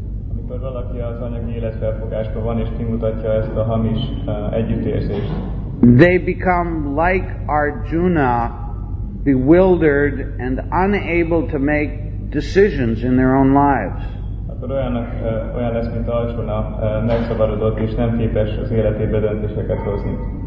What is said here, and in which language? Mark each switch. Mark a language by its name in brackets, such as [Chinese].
[Hungarian] amikor valaki az anyagi életfelfogásban van és kimutatja ezt a hamis együttérzést, [English] they become like Arjuna, bewildered and unable to make decisions in their own lives. [Hungarian] Akkor olyan lesz, mint Arjuna, megszabadult és nem képes az életében döntéseket hozni.